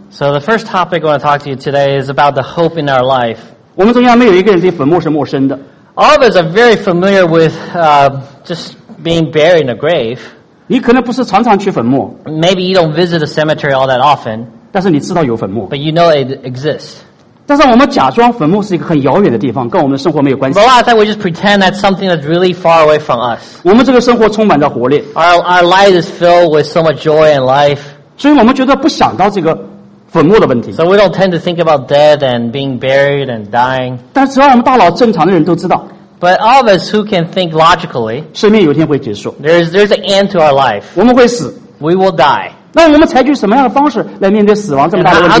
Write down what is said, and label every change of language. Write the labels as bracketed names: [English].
[English] So the first topic I want to talk to you today is about the hope in our life. [Chinese] 我们中间没有一个人对坟墓是陌生的。 [English] All of us are very familiar with just being buried in a grave. [Chinese] 你可能不是常常去坟墓。 [English] Maybe you don't visit a cemetery all that often. [Chinese] 但是你知道有坟墓。 [English] But you know it exists. [Chinese] 但是我们假装坟墓是一个很遥远的地方, 跟我们的生活没有关系。 [English] But a lot of times we just pretend that's something that's really far away from us. [Chinese] 我们这个生活充满着活力。 [English] Our life is filled with so much joy and life. [Chinese] 所以我们觉得不想到这个坟墓的问题。 [English] So we don't tend to think about death and being buried and dying. [Chinese] 但只要我们大脑正常的人都知道, [English] but all of us who can think logically, [Chinese] 生命有一天会结束。 [English] There's an end to our life. [Chinese] 我们会死。 [English] We will die. [Chinese] 那我们采取什么样的方式来面对死亡这么大的问题呢?